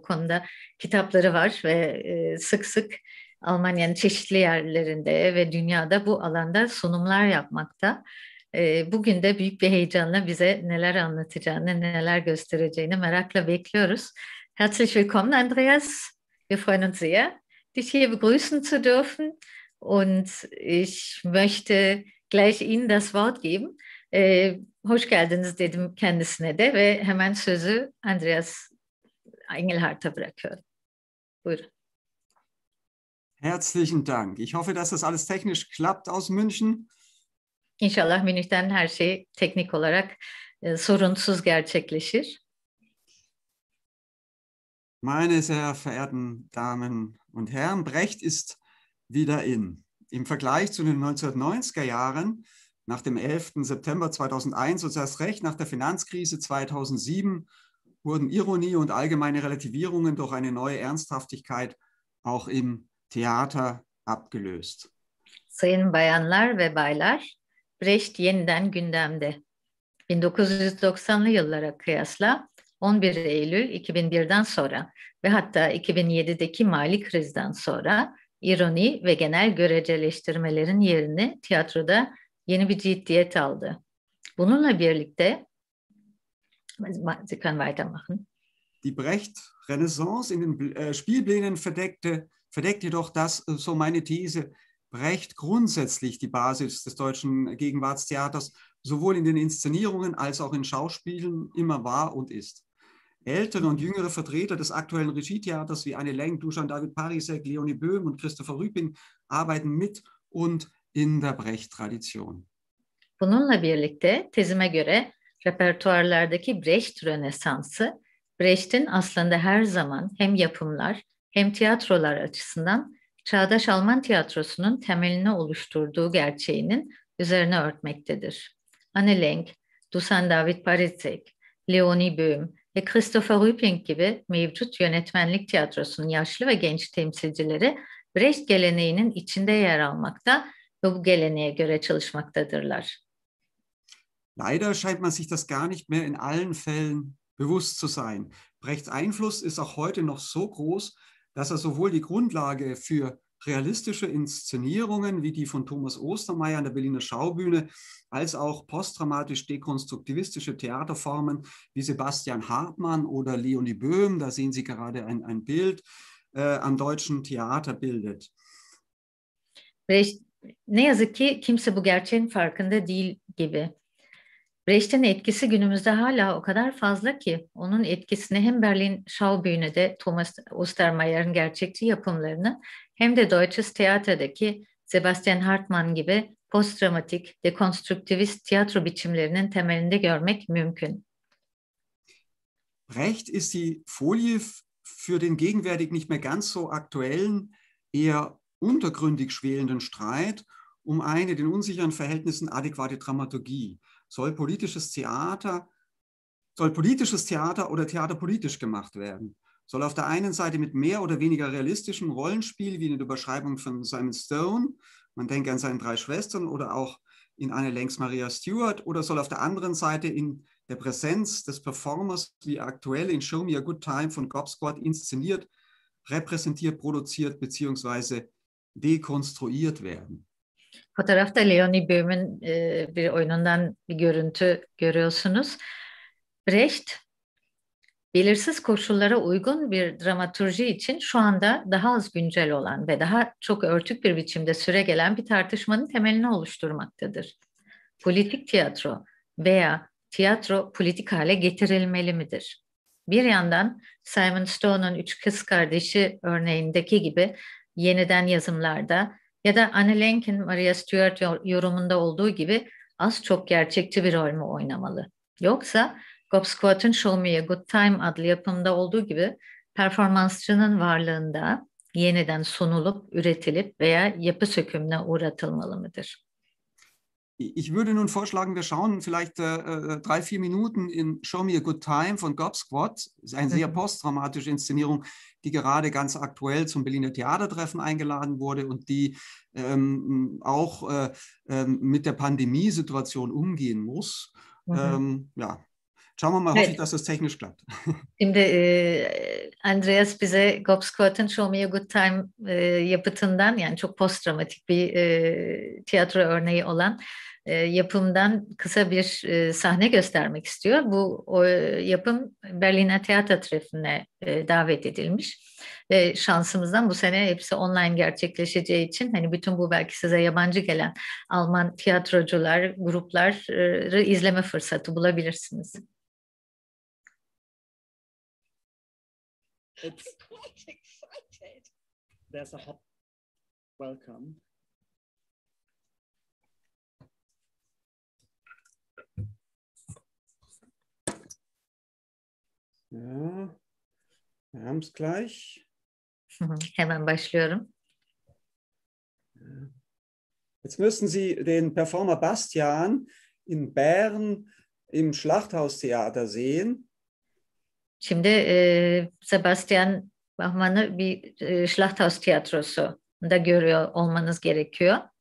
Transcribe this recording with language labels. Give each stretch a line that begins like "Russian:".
Turkish: Bu konuda kitapları var ve sık sık Almanya'nın çeşitli yerlerinde ve dünyada bu alanda sunumlar yapmakta. Bugün de büyük bir heyecanla bize neler anlatacağını, neler göstereceğini merakla bekliyoruz.
German: Herzlich willkommen, Andreas. Wir freuen uns sehr, dich hier begrüßen zu dürfen. Und ich möchte gleich Ihnen das Wort geben.
Turkish: Hoş geldiniz dedim kendisine de ve hemen sözü Andreas Engelhardt'a bırakıyorum. Buyurun.
German: Herzlichen Dank. Ich hoffe, dass das alles technisch klappt aus München.
Turkish: İnşallah Münih'ten her şey teknik olarak sorunsuz gerçekleşir.
German: Meine sehr verehrten Damen und Herren, Brecht ist wieder in. Im Vergleich zu den 1990er Jahren, nach dem 11. September 2001 und erst recht nach der Finanzkrise 2007, wurden Ironie und allgemeine Relativierungen durch eine neue Ernsthaftigkeit auch im Theater abgelöst.
Turkish: Sayın bayanlar ve baylar, Brecht yeniden gündemde. 1990'lı yıllara kıyasla 11 Eylül 2001'den sonra ve hatta 2007'deki mali krizden sonra ironi ve genel görecelleştirmelerin yerini tiyatroda yeni bir ciddiyet aldı. Bununla birlikte,
German: Sie können weitermachen. Die Brecht-Renaissance in den Spielplänen verdeckt jedoch das, so meine These, Brecht grundsätzlich die Basis des deutschen Gegenwartstheaters, sowohl in den Inszenierungen als auch in Schauspielen, immer war und ist. Ältere und jüngere Vertreter des aktuellen Regietheaters wie Anne Lenk, Dusan David Parisek, Leonie Böhm und Christopher Rübing arbeiten mit und in der Brecht-Tradition.
Turkish: Bununla birlikte tezime göre repertuarlardaki Brecht Rönesansı, Brecht'in aslında her zaman hem yapımlar hem tiyatrolar açısından Çağdaş Alman Tiyatrosu'nun temelini oluşturduğu gerçeğinin üzerine örtmektedir. Anne Lenk, Dusan David Parisek, Leonie Böhm ve Christopher Rüpping gibi mevcut yönetmenlik tiyatrosunun yaşlı ve genç temsilcileri Brecht geleneğinin içinde yer almakta ve bu geleneğe göre çalışmaktadırlar.
German: Leider scheint man sich das gar nicht mehr in allen Fällen bewusst zu sein. Brechts Einfluss ist auch heute noch so groß, dass er sowohl die Grundlage für realistische Inszenierungen wie die von Thomas Ostermeier an der Berliner Schaubühne als auch postdramatisch-dekonstruktivistische Theaterformen wie Sebastian Hartmann oder Leonie Böhm, da sehen Sie gerade ein Bild, am deutschen Theater bildet.
Turkish: Brecht, ne yazık ki kimse bu gerçeğin farkında değil gibi. Brecht'in etkisi günümüzde hala o kadar fazla ki onun etkisini hem Berlin Schaubühne'de de Thomas Ostermeier'in gerçekçi yapımlarını hem de Deutsches Theater'daki Sebastian Hartmann gibi postdramatik, dekonstruktivist tiyatro biçimlerinin temelinde görmek mümkün.
German: Brecht ist die Folie für den gegenwärtig nicht mehr ganz so aktuellen, eher untergründig schwelenden Streit um eine den unsicheren Verhältnissen adäquate Dramaturgie. Soll politisches Theater oder Theater politisch gemacht werden? Soll auf der einen Seite mit mehr oder weniger realistischem Rollenspiel, wie in der Überschreibung von Simon Stone, man denke an seine drei Schwestern oder auch in Anne Lengs Maria Stuart, oder soll auf der anderen Seite in der Präsenz des Performers, wie aktuell in Show Me a Good Time von Gob Squad inszeniert, repräsentiert, produziert bzw. dekonstruiert werden.
Turkish: Fotoğrafta Leonie Böhm'ün bir oyunundan bir görüntü görüyorsunuz. Brecht, belirsiz koşullara uygun bir dramaturji için şu anda daha az güncel olan ve daha çok örtük bir biçimde süregelen bir tartışmanın temelini oluşturmaktadır. Politik tiyatro veya tiyatro politik hale getirilmeli midir? Bir yandan Simon Stone'un Üç Kız Kardeşi örneğindeki gibi yeniden yazımlarda ya da Anne Lenk'in Maria Stuart yorumunda olduğu gibi az çok gerçekçi bir rol mü oynamalı? Yoksa Gobsquat'ın Show Me a Good Time adlı yapımda olduğu gibi performansçının varlığında yeniden sunulup, üretilip veya yapı sökümüne uğratılmalı mıdır?
German: Ich würde nun vorschlagen, wir schauen vielleicht drei, vier Minuten in Show Me a Good Time von Gobsquat. Das ist eine sehr posttraumatische Inszenierung, die gerade ganz aktuell zum Berliner Theatertreffen eingeladen wurde und die auch mit der Pandemiesituation umgehen muss. Ja, schauen wir mal, hoffe ich, dass das technisch klappt.
Turkish: Şimdi Andreas bize Gobsquat'ın Show Me a Good Time yapıtından, yani çok posttraumatik bir tiyatro örneği olan yapımdan kısa bir sahne göstermek istiyor. Bu yapım Berliner Theatertreffen'e davet edilmiş. Ve şansımızdan bu sene hepsi online gerçekleşeceği için hani bütün bu belki size yabancı gelen Alman tiyatrocular, grupları izleme fırsatı bulabilirsiniz.
English: It's quite excited. There's a hot welcome.
German: Ja, wir haben es gleich.
Turkish: Hemen başlıyorum.
German: Jetzt müssen Sie den Performer Bastian in Bern im Schlachthaustheater sehen.
Turkish: Şimdi Sebastian Bachmann'ı bir Schlachthaus Tiyatrosu'nda görüyor olmanız gerekiyor.